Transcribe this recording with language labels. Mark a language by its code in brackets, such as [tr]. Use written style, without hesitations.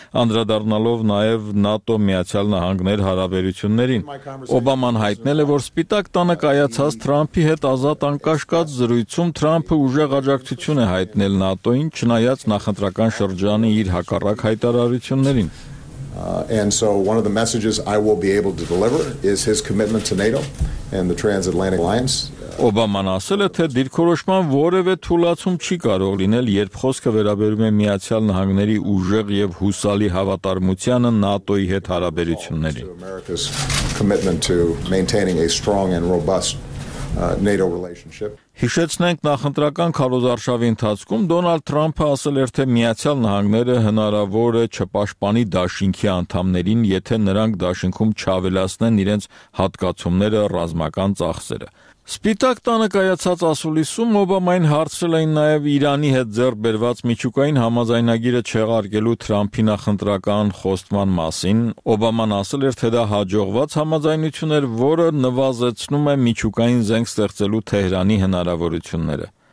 [hy] անդրադառնալով նաև ՆԱՏՕ Միացյալ Նահանգներ հարաբերություններին։ Օբաման հայտնել է, որ Սպիտակ տանը կայացած Թրամփի հետ ազատ անկաշկած զրույցում Թրամփը ուժեղ աջակցություն է հայտնել ՆԱՏՕ-ին, չնայած նախընտրական շրջանի իր հակառակ հայտարարություններին։ [en] And so one of the messages I will be able to deliver is his commitment to NATO and the transatlantic alliance. [hy] Օբաման ասել է, թե դիրքորոշման որևէ թուլացում չի կարող լինել, երբ խոսքը վերաբերում է Միացյալ Նահանգների ուժեղ եւ հուսալի հավատարմությանը ՆԱՏՕ-ի հետ հարաբերություններին։ [en] Commitment to maintaining a strong and robust NATO relationship. [hy] Հիշեցնենք, նախընտրական քարոզարշավի ընթացքում Դոնալդ Թրամփը ասել էր, թե Միացյալ Նահանգները հնարավոր է չպաշտպանի Դաշինքի անդամներին, եթե նրանք Դաշինքում չավելացնեն իրենց հատկացումները ռազմական ծախսերը։ Սպիտակ տանը կայացած ասուլիսում Օբամային հարցրել էին նաև Իրանի հետ ձեռք բերված միջուկային համաձայնագիրը չեղարկելու Թրամփի նախընտրական խոստման մասին։ Օբաման ասել էր, թե դա հաջողված համաձայնություն էր, որը նվազեցնում է միջուկային զենք ստեղծելու Թեհրանի հնարավորությունները։